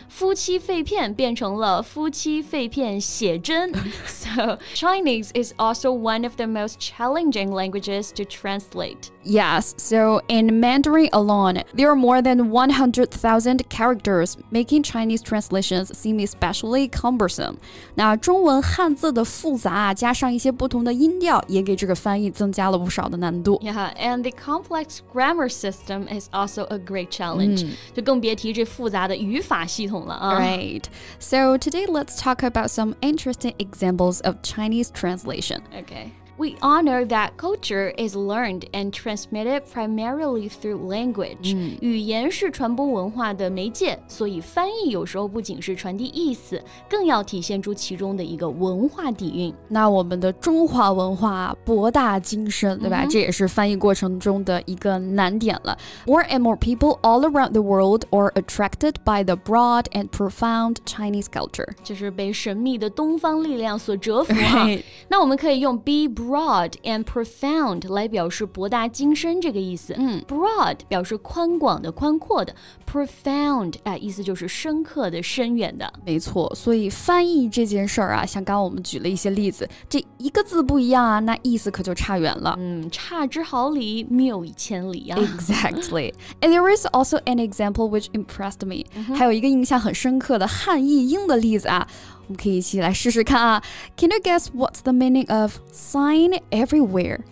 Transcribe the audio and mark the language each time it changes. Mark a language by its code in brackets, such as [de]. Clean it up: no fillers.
[zh] 夫妻肺片变成了夫妻肺片写真 [en] So Chinese is also one of the most challenging languages to translate Yes, so in Mandarin aloneThere are more than 100,000 characters, making Chinese translations seem especially cumbersome. [zh] 那中文汉字的复杂啊，加上一些不同的音调，也给这个翻译增加了不少的难度。 [en] Yeah, and the complex grammar system is also a great challenge. [zh] 就更别提这复杂的语法系统了啊。 [en] Right. So today let's talk about some interesting examples of Chinese translation. Okay. We all know that culture is learned and transmitted primarily through language.、 Mm. [zh] 语言是传播文化的媒介，所以翻译有时候不仅是传递意思，更要体现出其中的一个文化底蕴。那我们的中华文化博大精深，对吧？ Mm-hmm. 这也是翻译过程中的一个难点了。 [en] More and more people all around the world are attracted by the broad and profound Chinese culture. [zh] 就是被神秘的东方力量所折服、啊 [en] right. [zh] 那我们可以用 [en] broad and profound [zh] 来表示博大精深这个意思、嗯、 broad 表示宽广的宽阔的 profound、意思就是深刻的深远的没错所以翻译这件事儿啊，像刚我们举了一些例子这一个字不一样啊，那意思可就差远了、嗯、差之毫厘谬以千里啊。 [en] Exactly And there is also an example which impressed me、嗯、 [zh] 还有一个印象很深刻的汉译英的例子啊我们可以一起来试试看啊。 [en] Can you guess what's the meaning of sign everywhere?